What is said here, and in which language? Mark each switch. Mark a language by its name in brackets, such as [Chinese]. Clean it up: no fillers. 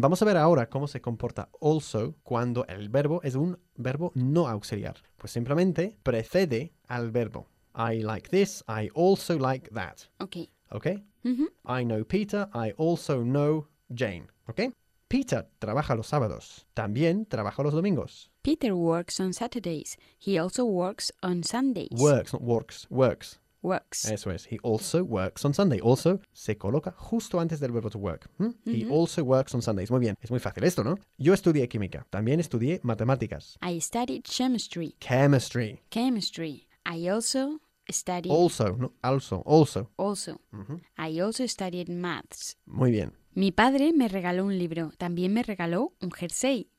[Spanish] Vamos a ver ahora cómo se comporta also cuando el verbo es un verbo no auxiliar. Pues simplemente precede al verbo. [English] I like this. I also like that. Okay. Okay. Mm-hmm. I know Peter. I also know Jane. Okay. [Spanish] Peter trabaja los sábados. También trabaja los domingos. [English] Peter works on Saturdays. He also works on Sundays. Works, not works. Works. Works. [Spanish] Eso es. [English] He also works on Sunday. [Spanish] Also, se coloca justo antes del verbo to work. [English] He also works on Sundays. [Spanish] Muy bien. Es muy fácil esto, ¿no? Yo estudié química. También estudié matemáticas. [English] I studied chemistry. Chemistry. Chemistry. I also studied... Also. No, also. Also. Also. I also studied maths. [Spanish] Muy bien. Mi padre me regaló un libro. También me regaló un jersey.